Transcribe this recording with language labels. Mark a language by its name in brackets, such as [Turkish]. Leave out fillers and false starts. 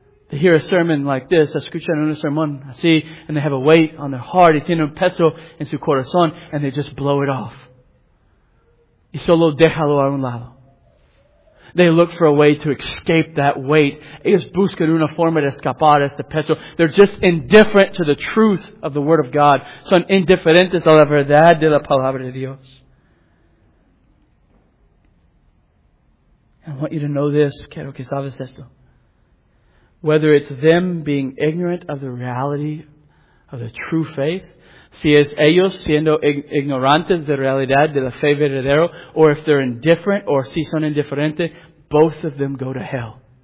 [English] They hear a sermon like this. [Spanish] Escuchan un sermón así. [English] And they have a weight on their heart. [Spanish] Y tienen un peso en su corazón. [English] And they just blow it off. [Spanish] Y solo déjalo a un lado. [English] They look for a way to escape that weight. [Spanish] Ellos buscan una forma de escapar este peso. [English] They're just indifferent to the truth of the Word of God. [Spanish] Son indiferentes a la verdad de la Palabra de Dios. [English] I want you to know this. [Spanish] Quiero que sabes esto. [English] Whether it's them being ignorant of the reality of the true faith, [Spanish] si es ellos siendo ignorantes de realidad de la fe verdadera, [English] or if they're indifferent, or [Spanish] si son indiferentes, [English] both of them go to hell.